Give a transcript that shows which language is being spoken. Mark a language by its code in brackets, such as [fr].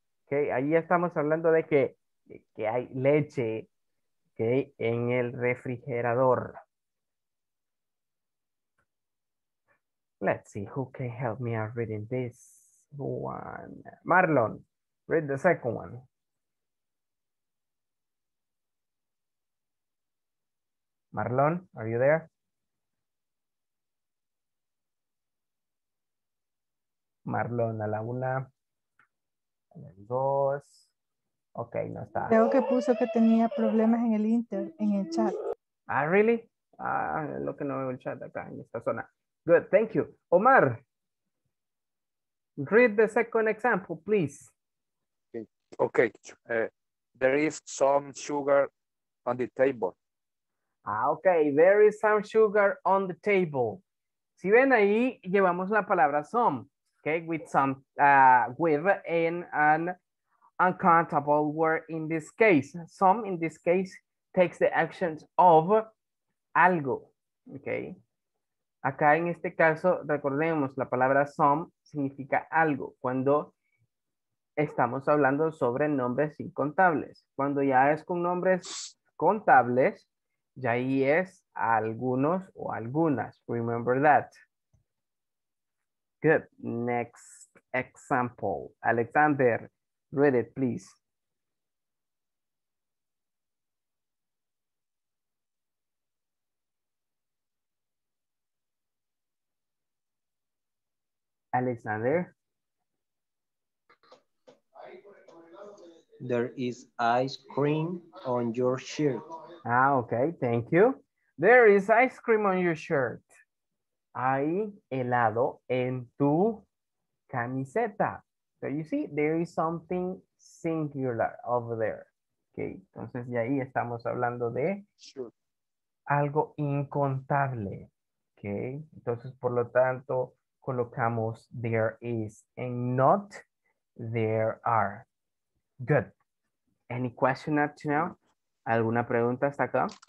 [es] Okay, ahí estamos hablando de que hay leche, okay, en el refrigerador. [en] Let's see who can help me out reading this. One. Marlon, read the second one. Marlon, are you there? [es] Marlon, a la una. A la dos. Ok, no está. Creo que puso que tenía problemas en el inter, en el chat. [en] Ah, really? [es] Ah, es lo que no veo el chat acá en esta zona. [en] Good, thank you. Omar. Read the second example, please. Okay. There is some sugar on the table. Ah, okay. There is some sugar on the table. [es] Si ven ahí, llevamos la palabra some. [en] Okay. With some, with in an uncountable word in this case. Some in this case takes the actions of algo. Okay. [es] Acá en este caso, recordemos, la palabra some significa algo cuando estamos hablando sobre nombres incontables. Cuando ya es con nombres contables, ya ahí es algunos o algunas. [en] Remember that. Good. Next example. Alexander, read it, please. Alexander. There is ice cream on your shirt. Ah, okay, thank you. There is ice cream on your shirt. [es] Hay helado en tu camiseta. [en] So you see, there is something singular over there. [es] Okay, entonces ya ahí estamos hablando de algo incontable. Okay, entonces por lo tanto colocamos [en] there is and not there are. [es] Good. [en] Any question up to now? [es] ¿Alguna pregunta hasta acá?